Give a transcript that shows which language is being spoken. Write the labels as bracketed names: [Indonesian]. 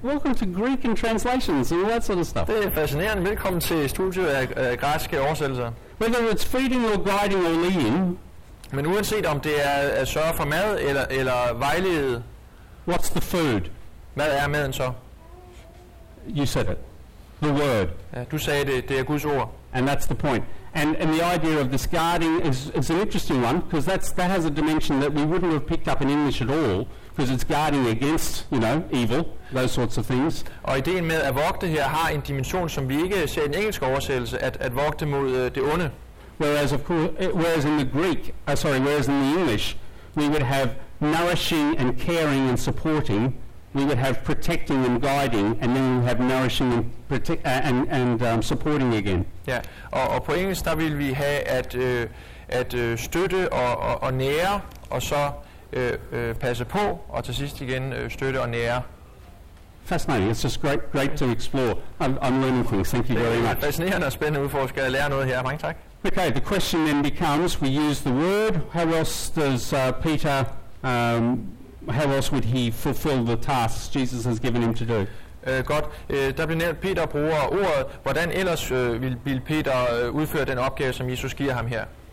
[English] Welcome to Greek and translations and all that sort of stuff. [Danish] Det er fascinerende. Velkommen til studiet af græske oversættelser. [English] Whether it's feeding or guiding or leading. [Danish] Men uanset om det er at sørge for mad eller vejlede. [English] What's the food? [Danish] Hvad er maden så? [English] You said it. The word. [Danish] Ja, du sagde det. Det er Guds ord. [English] And that's the point. And the idea of this guarding is an interesting one, because that has a dimension that we wouldn't have picked up in English at all, because it's guarding against, you know, evil, those sorts of things. [Danish] Og ideen med at vogte her har en dimension, som vi ikke ser i den engelske oversættelse, at vogte mod det onde. [English] Whereas in the English, we would have nourishing and caring and supporting, we would have protecting and guiding, and then we would have nourishing and supporting again. [Danish] Ja, og på engelsk der vil vi have at støtte og nære, og så passe på, og til sidst igen støtte og nære. [English] Fascinating. It's just great to explore. I'm learning things. Thank you very much. [Danish] Det er fascinerende og spændende udforsker at lære noget her. Mange tak. [English] Okay, the question then becomes, we use the word, how else does Peter, how else would he fulfill the tasks Jesus has given him to do? [Danish] Der bliver nævnt, Peter bruger ordet, hvordan ellers vil Peter udføre den opgave, som Jesus giver ham her?